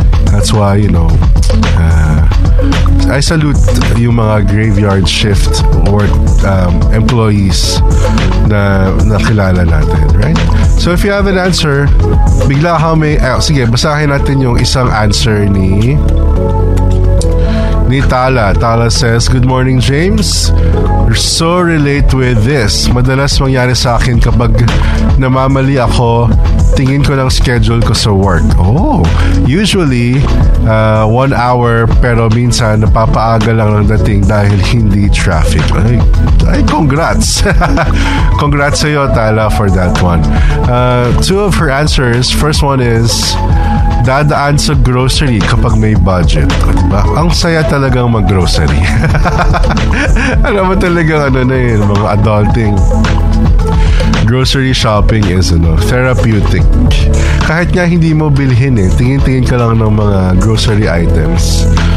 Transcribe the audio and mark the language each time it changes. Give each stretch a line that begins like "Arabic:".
English: That's why, you know, I salute yung mga graveyard shift or employees
Filipino: na kilala natin,
English: right? So if you have an answer,
Filipino: bigla kang may... sige, basahin natin yung isang answer ni Tala.
English: Tala says, good morning, James. You're so relate with this.
Filipino: Madalas mangyari sa akin kapag namamali ako, tingin ko ng schedule ko sa work. Oh, usually 1 hour, pero minsan napapaaga lang ang dating dahil hindi traffic. Ay congrats.
English: Congrats sa'yo, Tala, for that one. Two of her answers. First one is,
Filipino: dadaan sa grocery kapag may budget.
English: Diba?
Filipino: Ang saya talagang mag-grocery. Alam mo talaga ano na yun, mga adulting.
English: Grocery shopping is therapeutic.
Filipino: Kahit nga hindi mo bilhin eh, tingin-tingin ka lang ng mga grocery items.